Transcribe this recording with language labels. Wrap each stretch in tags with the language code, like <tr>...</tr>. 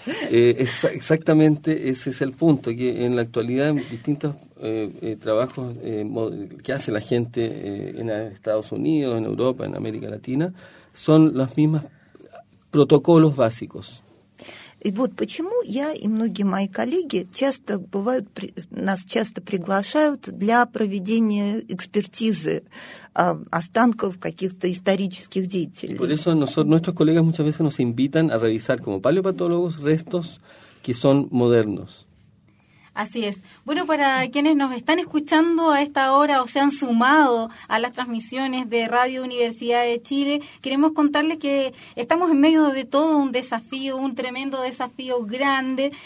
<es>Exactamente ese es el punto, que en la actualidad distintos trabajos que hace la gente en Estados Unidos, en Europa, en América Latina, son los mismos protocolos básicos.</es> <ru>И вот почему я и многие мои коллеги часто бывают, нас часто приглашают для проведения экспертизы останков каких-то исторических деятелей.</ru> <es>Por eso nuestros colegas muchas veces nos invitan a revisar como paleopatólogos restos que son modernos. Así es. Bueno, para quienes nos están escuchando a esta hora o se han sumado a las transmisiones de Radio Universidad de Chile, queremos contarles que estamos en medio de todo un desafío, un tremendo desafío grande.</es>